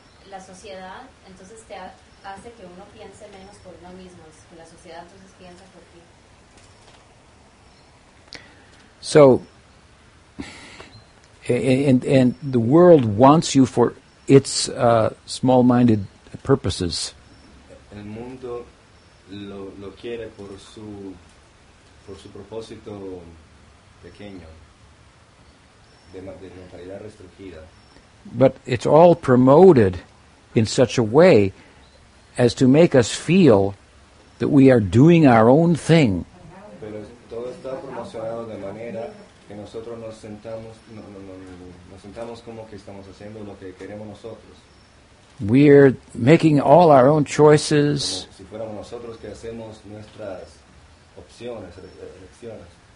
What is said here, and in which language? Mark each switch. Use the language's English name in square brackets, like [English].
[Spanish] La sociedad entonces te hace que uno piense menos por uno mismo. La sociedad entonces piensa por ti. [English] So, and the world wants you for its small-minded purposes. [Spanish] El mundo lo quiere por su propósito pequeño, de mentalidad restringida. [English] But it's all promoted in such a way as to make us feel that we are doing our own thing. [Spanish] Pero todo está promocionado de manera que nosotros nos sentamos como que estamos haciendo lo que queremos nosotros. [English] We're making all our own choices. [Spanish] Como si fuéramos nosotros que hacemos nuestras opciones, elecciones.